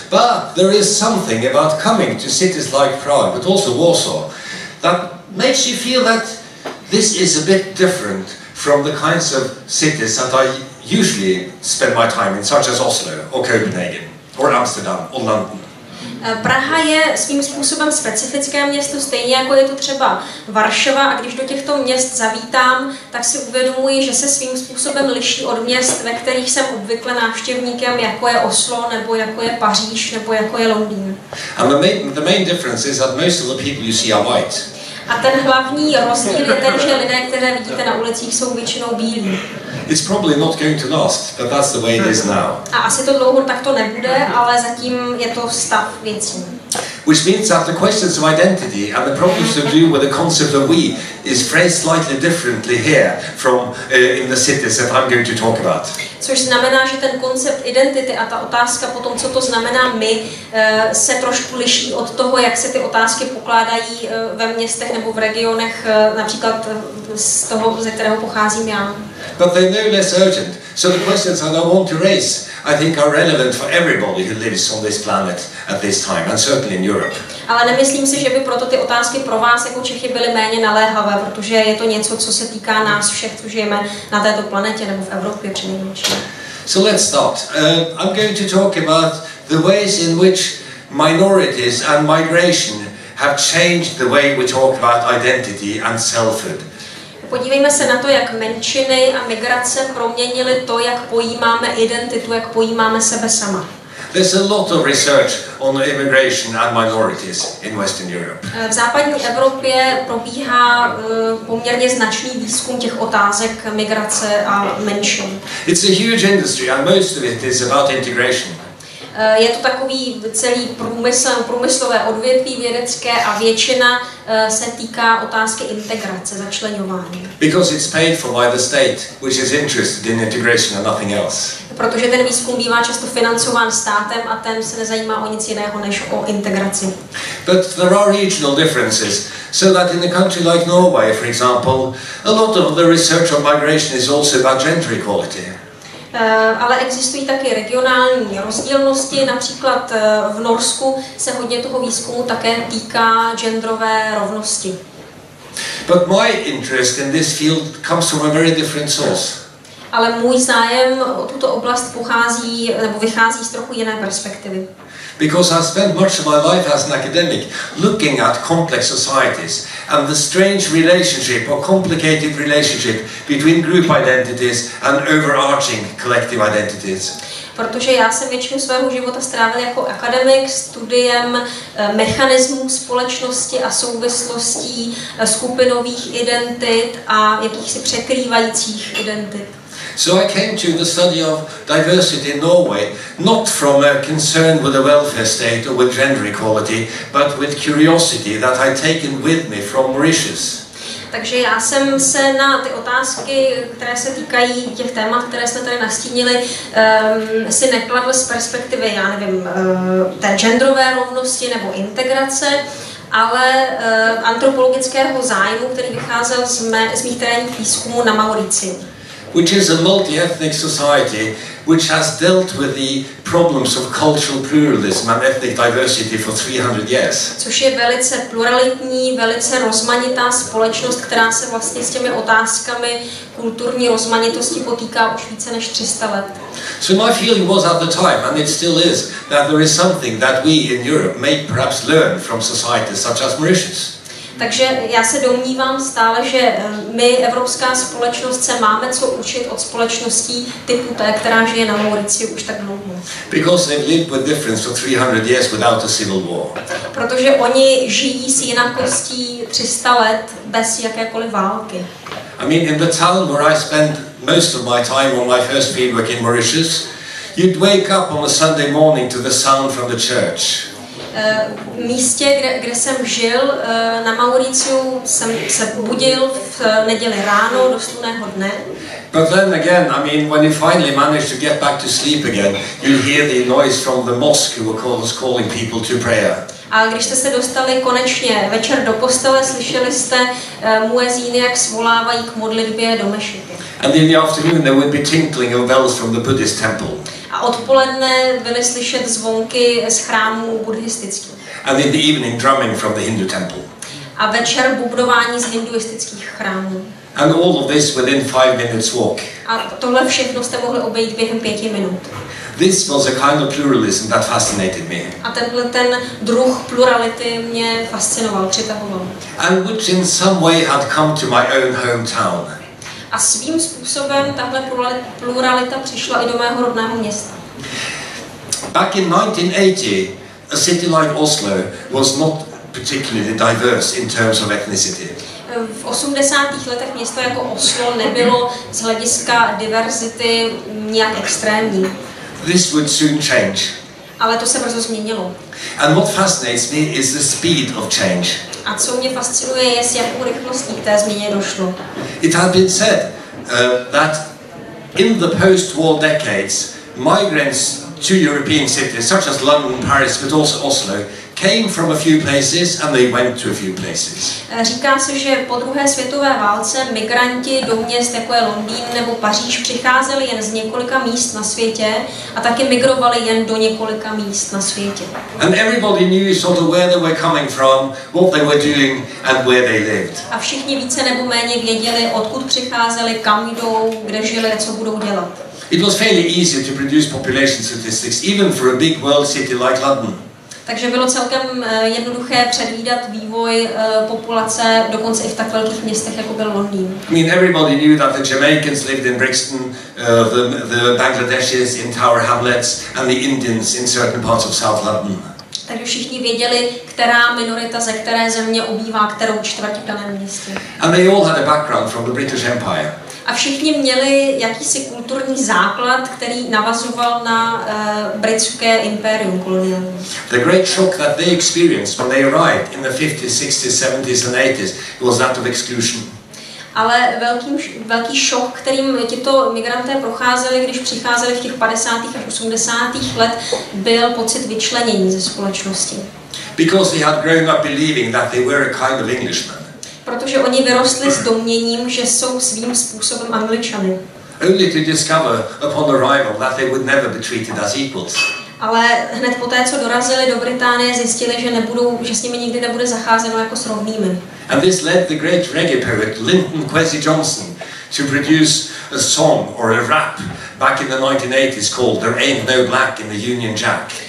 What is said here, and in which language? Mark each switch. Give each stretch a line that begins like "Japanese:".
English: But there is something about coming to cities like Prague, but also Warsaw, that makes you feel that this is a bit different from the kinds of cities that I usually spend my time in, such as Oslo or Copenhagen or Amsterdam or London.
Czech: Praha je svým způsobem specifické město, stejně jako je tu třeba Varšava, a když do těchto měst zavítám, tak si uvědomuji, že se svým způsobem liší od měst, ve kterých jsem obvykle návštěvníkem, jako je Oslo, nebo jako je Paříž, nebo jako je Londýn.
English: And the main difference is that most of the people you see are white.
Czech: A ten hlavní rozdíl je ten, že lidé, které vidíte na ulicích, jsou většinou bílí.
English: It's probably not going to last, but that's the way it is now.
Czech: A asi to dlouho takto nebude, ale zatím je to stav věcí.
English: Which means that the questions of identity and the problems to do with the concept of we is phrased slightly differently here from in the cities that I'm going to talk about.
Czech: Což znamená, že ten koncept identity a ta otázka po tom, co to znamená my, se trošku liší od toho, jak se ty otázky pokládají ve městech nebo v regionech, například z toho, ze kterého pocházím já.
English: But they're no less urgent. So the questions that I want to raise, I think, are relevant for everybody who lives on this planet at this time, and certainly in Europe.
Czech: Ale nemyslím si, že by proto ty otázky pro vás jako Čechy byly méně naléhavé, protože je to něco, co se týká nás všech, co žijeme na této planetě nebo v Evropě přinejmenším.
English: So let's start. I'm going to talk about the ways in which minorities and migration have changed the way we talk about identity and selfhood.
Czech: Podívejme se na to, jak menšiny a migrace proměnily to, jak pojímáme identitu, jak pojímáme sebe sama.
English: There's a lot of research on immigration and minorities in Western Europe.
Czech: V západní Evropě probíhá poměrně značný výzkum těch otázek migrace a menšin.
English: It's a huge industry and most of it is about integration.
Czech: Je to takový celý průmyslové odvětví vědecké a většina se týká otázky integrace, začleňování.
English: Because it's paid for by the state, which is interested in integration and nothing else.
Czech: Protože ten výzkum bývá často financován státem a ten se nezajímá o nic jiného než o integraci.
English: But there are regional differences, so that in a country like Norway, for example, a lot of the research on migration is also about gender equality.
Czech: Ale existují také regionální rozdílnosti, například v Norsku se hodně toho výzkumu také týká genderové rovnosti.
English: But my interest in this field comes from a very different source.
Czech: Ale můj zájem o tuto oblast pochází nebo vychází z trochu jiné perspektivy.
English: Because I spent much of my life as an academic looking at complex societies and the strange relationship or complicated relationship between group identities and overarching collective identities.
Czech: Protože já jsem většinu svého života strávil jako akademik studiem mechanismů společnosti a souvislostí skupinových identit a jakýchsi překrývajících identit.
English: So I came to the study of diversity in Norway not from a concern with the welfare state or with gender equality, but with curiosity that I'd taken with me from Mauritius.
Czech: Takže já jsem se na ty otázky, které se týkají těch témat, které jste tady nastínili, si nekladl z perspektivy, já nevím, té genderové rovnosti nebo integrace, ale antropologického zájmu, který vycházel z mých terénních výzkumů na Mauricii.
English: Which is a multi-ethnic society which has dealt with the problems of cultural pluralism and ethnic diversity for 300 years.
Czech: Což je velice pluralitní, velice rozmanitá společnost, která se vlastně s těmi otázkami kulturní rozmanitosti potýká už více než 300 let.
English: So my feeling was at the time, and it still is, that there is something that we in Europe may perhaps learn from societies such as Mauritius.
Czech: Takže já se domnívám stále, že my, evropská společnost, se máme co učit od společností typu té, která žije na Mauricii už tak dlouho.
English: Because they lived with difference for 300 years without a civil war.
Czech: Protože oni žijí s jinakostí 300 let bez jakékoliv války.
English: I mean, in the town where I spent most of my time on my first field work in Mauritius, you'd wake up on a Sunday morning to the sound from the church.
Czech: V místě, kde jsem žil na Mauriciu, jsem se budil v neděli ráno do slunného dne.
English: But then again, I mean, when you finally manage to get back to sleep again, you hear the noise from the mosque who was calling people to prayer.
Czech: A když jste se dostali konečně večer do postele, slyšeli jste muezíny, jak svolávají k modlitbě do mešity.
English: And in the afternoon there would be tinkling of bells from the Buddhist temple.
Czech: A odpoledne byly slyšet zvonky z chrámů buddhistických.
English: And in the evening drumming from the Hindu temple.
Czech: A večer bubnování z hinduistických chrámů.
English: And all of this within 5 minutes walk.
Czech: A tohle všechno jste mohli obejít během 5 minut.
English: this was a kind of pluralism that fascinated me.
Czech: A tenhle ten druh plurality mě fascinoval, přitahoval.
English: And which in some way had come to my own hometown.
Czech: A svým způsobem tahle pluralita přišla i do mého rodného města.
English: Back in 1980, a city like Oslo was not particularly diverse in terms of ethnicity.
Czech: V 80. letech město jako Oslo nebylo z hlediska diverzity nějak extrémní.
English: This would soon change.
Czech: Ale to se brzo změnilo.
English: And what fascinates me is the speed of change.
Czech: A co mě fascinuje je, s jakou rychlostí k té změně došlo.
English: It had been said that in the post-war decades, migrants to European cities such as London, Paris, but also Oslo, came from a few places and they went to a few places.
Czech: Říká se, že po druhé světové válce migranti do měst jako je Londýn nebo Paříž přicházeli jen z několika míst na světě a taky migrovali jen do několika míst na světě.
English: And everybody knew sort of where they were coming from, what they were doing and where they lived.
Czech: A všichni více nebo méně věděli, odkud přicházeli, kam jdou, kde žili, co budou dělat.
English: It was fairly easy to produce population statistics even for a big world city like London.
Czech: Takže bylo celkem jednoduché předvídat vývoj populace dokonce i v tak velkých městech jako byl Londýn.
English: I mean, everybody knew that the Jamaicans lived in Brixton, the Bangladeshis in Tower Hamlets and the Indians in certain parts of South London.
Czech: Takže všichni věděli, která minorita ze které země obývá kterou čtvrť v daném městě.
English: And they all had a background from the British Empire.
Czech: A všichni měli jakýsi kulturní základ, který navazoval na britské impérium koloniální.
English: The great shock that they experienced when they arrived in the 50s, 60s, 70s and 80s was that of exclusion.
Czech: Ale velký šok, kterým tito migranté procházeli, když přicházeli v těch 50. a 80. let, byl pocit vyčlenění ze společnosti.
English: Because they had grown up believing that they were a kind of Englishman.
Czech: Protože oni vyrostli s domněním, že jsou svým způsobem Angličany.
English: Only to discover upon arrival that they would never be treated as equals.
Czech: Ale hned poté, co dorazili do Británie, zjistili, že nebudou, že s nimi nikdy nebude zacházeno jako s rovnými.
English: And this led the great reggae poet Lyndon Kwesi Johnson to produce a song or a rap back in the 1980s called "There Ain't No Black in the Union Jack."